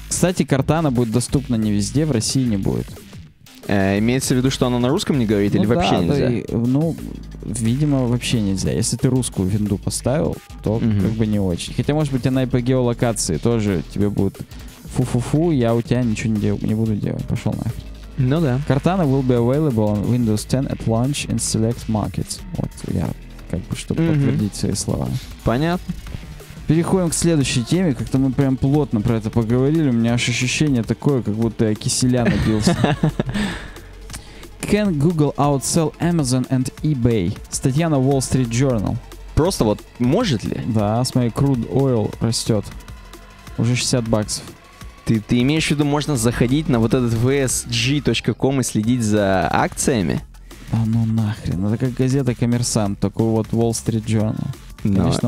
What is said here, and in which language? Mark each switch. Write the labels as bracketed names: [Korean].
[Russian] Кстати, Cortana будет доступна не везде, в России не будет. Имеется в виду, что она на русском не говорит, ну, или вообще да, нельзя? Да, ну, видимо, вообще нельзя. Если ты русскую винду поставил, то как бы не очень. Хотя, может быть, она и по геолокации тоже тебе будет фу-фу-фу, я у тебя ничего не буду делать. Пошел нахер. Ну да. [English] Cortana will be available on Windows 10 at launch in select markets. [Russian] Вот я как бы, чтобы подтвердить свои слова. Понятно. Переходим к следующей теме. Как-то мы прям плотно про это поговорили. У меня аж ощущение такое, как будто я киселя напился. [English] Can Google outsell Amazon and eBay? [Russian] Статья на Wall Street Journal. Просто вот может ли? Да, смотри, crude oil растет. Уже 60 баксов. Ты имеешь в виду, можно заходить на вот этот vsg.com и следить за акциями? Да ну нахрен. Это как газета «Коммерсант», только вот Wall Street Journal. Конечно,